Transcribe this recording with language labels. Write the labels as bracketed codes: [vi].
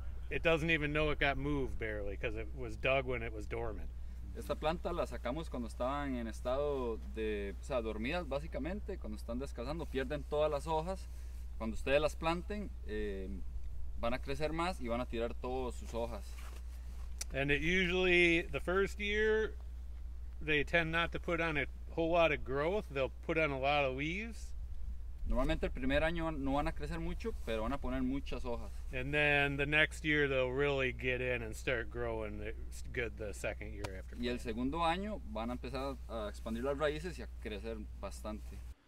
[en] It doesn't even know it got moved barely because it was dug when it was dormant. [es] Esta planta la sacamos cuando estaban en estado de, o sea, dormidas básicamente, cuando están descansando, pierden todas las hojas. Cuando ustedes las planten, van a crecer más y van a tirar todas sus hojas. [en] And it usually, the first year, they tend not to put on a whole lot of growth. They'll put on a lot of leaves. [es] Normalmente el primer año no van a crecer mucho, pero van a poner muchas hojas. [en] And then the next year they'll really get in and start growing good the second year after. [es] Y el segundo año van a empezar a expandir las raíces y a crecer bastante.